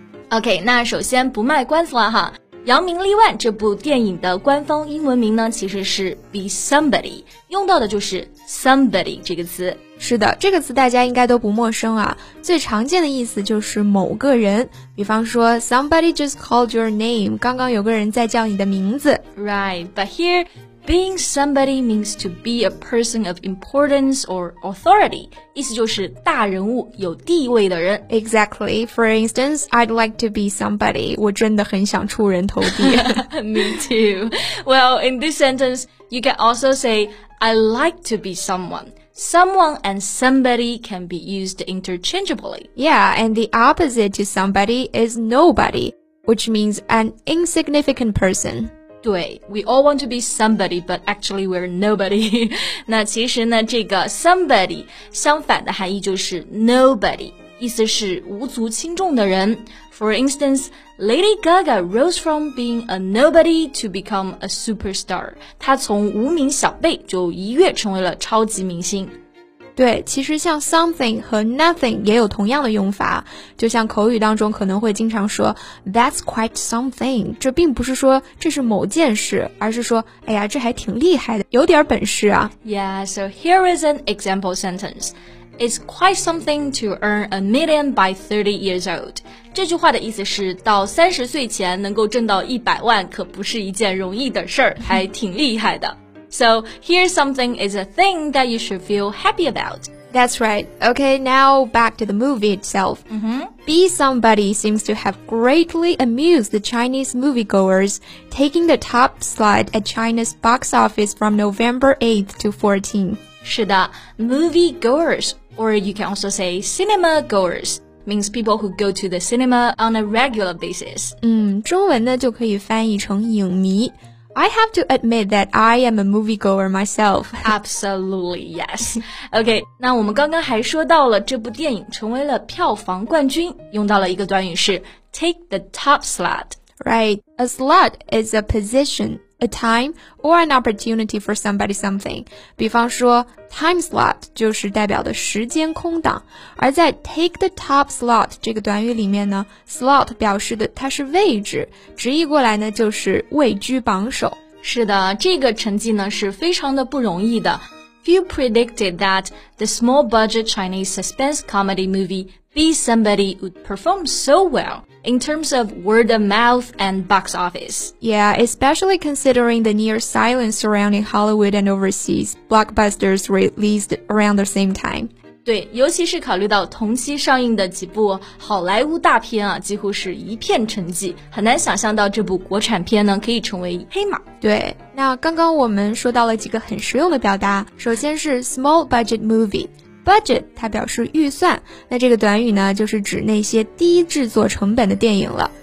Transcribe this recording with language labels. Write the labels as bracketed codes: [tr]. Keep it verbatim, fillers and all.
[zh] OK， 那首先不卖关子了哈，扬名立万这部电影的官方英文名呢，其实是 Be Somebody， 用到的就是 Somebody 这个词。是的，这个词大家应该都不陌生啊，最常见的意思就是某个人，比方说 [en] Somebody just called your name， [zh] 刚刚有个人在叫你的名字。 [en] Right, but here being somebody means to be a person of importance or authority. [zh] 意思就是大人物，有地位的人。 [en] Exactly. For instance, I'd like to be somebody. [zh] 我真的很想出人头地。 [en] Me too. Well, in this sentence, you can also say, I like to be someone. Someone and somebody can be used interchangeably. Yeah, and the opposite to somebody is nobody, which means an insignificant person. 对 we all want to be somebody, but actually we're nobody. [zh] 那其实呢，这个 somebody 相反的含义就是 nobody， 意思是无足轻重的人。 [en] For instance, Lady Gaga rose from being a nobody to become a superstar. [zh] 她从无名小辈就一跃成为了超级明星。对，其实像 something 和 nothing 也有同样的用法，就像口语当中可能会经常说 [en] That's quite something， [zh] 这并不是说这是某件事，而是说哎呀，这还挺厉害的，有点本事啊。 [en] Yeah, so here is an example sentence. It's quite something to earn a million by thirty years old. [zh] 这句话的意思是到三十岁前能够挣到一百万可不是一件容易的事儿，还挺厉害的。 [en] So, here something is a thing that you should feel happy about. That's right. Okay, now back to the movie itself. Mm-hmm. Be Somebody seems to have greatly amused the Chinese moviegoers, taking the top slot at China's box office from November eighth to fourteenth. 是的 moviegoers, or you can also say cinema-goers, means people who go to the cinema on a regular basis. [zh] 嗯，中文呢就可以翻译成影迷。 [en] I have to admit that I am a moviegoer myself. Absolutely, yes. [zh] OK, 那我们刚刚还说到了这部电影成为了票房冠军，用到了一个短语是 take the top slot. [en] Right, a slot is a position, a time, or an opportunity for somebody something. [zh] 比方说 time slot 就是代表的时间空档，而在 take the top slot 这个短语里面呢， slot 表示的它是位置，直译过来呢就是位居榜首。是的，这个成绩呢是非常的不容易的。 [en] few predicted that the small-budget Chinese suspense comedy movie Be Somebody would perform so well in terms of word of mouth and box office. Yeah, especially considering the near silence surrounding Hollywood and overseas blockbusters released around the same time. [zh] 对，尤其是考虑到同期上映的几部好莱坞大片啊，几乎是一片沉寂，很难想象到这部国产片呢可以成为黑马。对，那刚刚我们说到了几个很实用的表达，首先是 small budget movie。 Budget 它表示预算，那这个短语呢就是指那些低制作成本的电影了。